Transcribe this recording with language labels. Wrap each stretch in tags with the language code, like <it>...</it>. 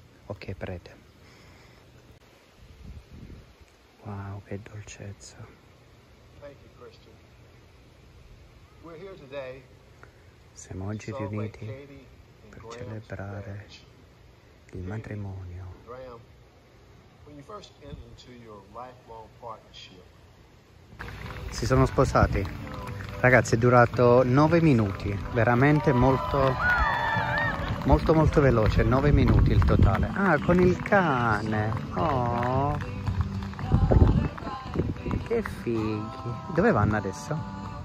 <it>Ok, prete.</it> <en>Wow,</en> <it>che dolcezza.</it> <en>Thank you, Christian. We're here today.</en> <it>Siamo oggi riuniti per celebrare il matrimonio.</it> <en>Graham, when you first entered into your lifelong partnership.</en> <it>Si sono sposati. Ragazzi, è durato 9 minuti, veramente molto molto molto veloce, 9 minuti il totale. Ah, con il cane. Oh, che fighi. Dove vanno adesso?</it>